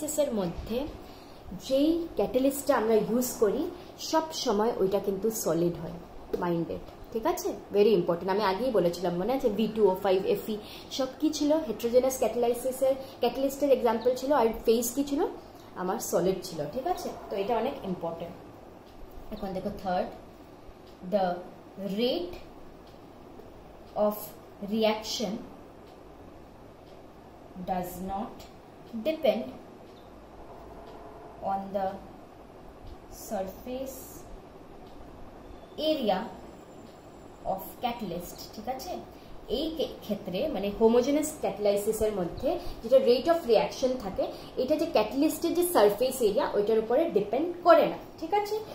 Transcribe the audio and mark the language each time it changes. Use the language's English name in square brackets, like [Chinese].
[Bangla] মধ্যে যেই ক্যাটালিস্টটা আমরা ইউজ করি সব সময় ওইটা কিন্তু সলিড হয় মাইন্ডেড ঠিক আছে ভেরি ইম্পর্টেন্ট আমি আগেই বলেছিলাম মনে আছে ভি টু ও ফাইভ এফি সব কি ছিল হেটেরোজেনাস ক্যাটালাইসিসের ক্যাটালিস্টের এক্সাম্পল ছিল আর ফেস কি ছিল আমার সলিড ছিল ঠিক আছে তো এটা অনেক ইম্পর্টেন্ট এখন দেখো third [English] the rate of reaction does not depend on the surface area of catalyst. [Bangla] ঠিক আছে, এই ক্ষেত্রে মানে হোমোজেনাস ক্যাটালাইসিসের মধ্যে যেটা রেট অফ রিয়াকশন থাকে এটা যে ক্যাটালিস্টের যে সারফেস এরিয়া ওইটার উপরে ডিপেন্ড করে না, ঠিক আছে।